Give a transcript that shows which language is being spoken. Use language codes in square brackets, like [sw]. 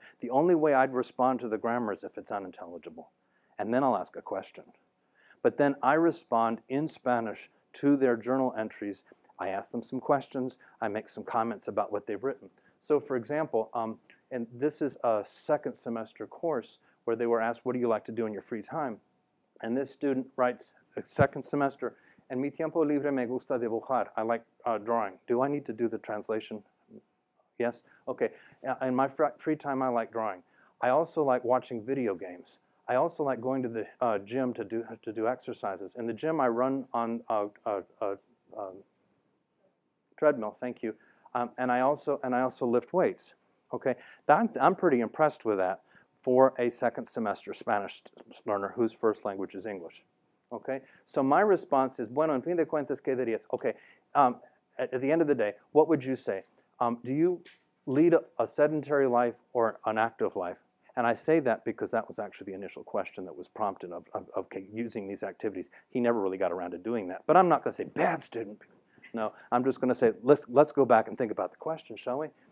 [en] The only way I'd respond to the grammar is if it's unintelligible, and then I'll ask a question. But then I respond in Spanish to their journal entries. I ask them some questions. I make some comments about what they've written. So for example, and this is a second semester course where they were asked, what do you like to do in your free time? And this student writes, second semester, [es] en mi tiempo libre me gusta dibujar. [en] I like drawing. Do I need to do the translation? Yes? OK. In my free time, I like drawing. I also like watching video games. I also like going to the gym to do exercises. In the gym, I run on a treadmill. Thank you. And I also lift weights. Okay, I'm pretty impressed with that. for a second semester Spanish learner whose first language is English. Okay, so my response is, [es] bueno, en fin de cuentas, ¿qué dirías? [en] Okay, at the end of the day, what would you say? Do you lead a sedentary life or an active life? And I say that because that was actually the initial question that was prompted of using these activities. He never really got around to doing that. But I'm not going to say, bad student. No, I'm just going to say, let's go back and think about the question, shall we?